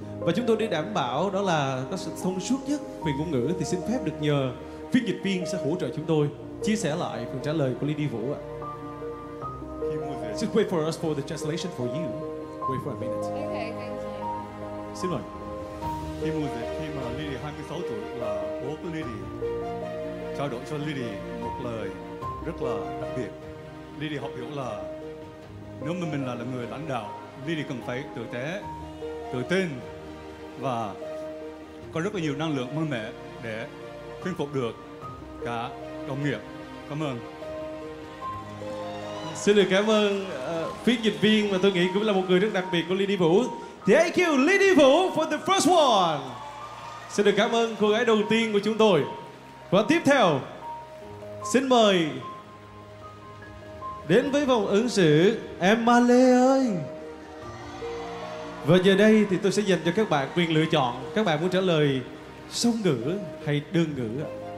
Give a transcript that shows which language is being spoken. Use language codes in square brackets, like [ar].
[vi] Và chúng tôi để đảm bảo đó là nó sẽ thông suốt nhất về ngôn ngữ thì xin phép được nhờ phiên dịch viên sẽ hỗ trợ chúng tôi chia sẻ lại phần trả lời của Lady Vũ ạ. [en] Just wait for us for the translation for you. Wait for a minute. Okay, thank you. [vi] Xin mời. Khi mùa dịch, khi mà Lady 26 tuổi là bố của Lady, trao đổi cho Lady một lời rất là đặc biệt. Lily học hiểu là nếu mà mình là người lãnh đạo, Lily cần phải tử tế, tự tin và có rất là nhiều năng lượng mạnh mẽ để thuyết phục được cả đồng nghiệp. Cảm ơn. Xin được cảm ơn phiên dịch viên mà tôi nghĩ cũng là một người rất đặc biệt của Lily Vũ. [en] Thank you Lily Vũ for the first one. [vi] Xin được cảm ơn cô gái đầu tiên của chúng tôi. Và tiếp theo, xin mời đến với vòng ứng xử em Ma Lê ơi. Và giờ đây thì tôi sẽ dành cho các bạn quyền lựa chọn. Các bạn muốn trả lời song ngữ hay đơn ngữ ạ?